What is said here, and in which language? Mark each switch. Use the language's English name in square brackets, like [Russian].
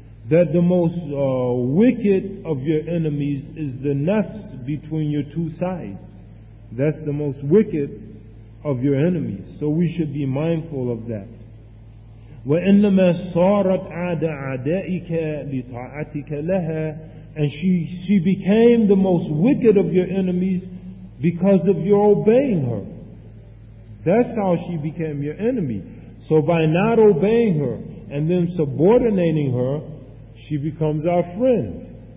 [English] That the most wicked of your enemies is the nafs between your two sides. That's the most wicked of your enemies. So we should be mindful of that. [Arabic] وإنما صارت عاد عدائك لطاعتك لها. [English] And she became the most wicked of your enemies because of your obeying her. That's how she became your enemy. So by not obeying her and then subordinating her, she becomes our friend.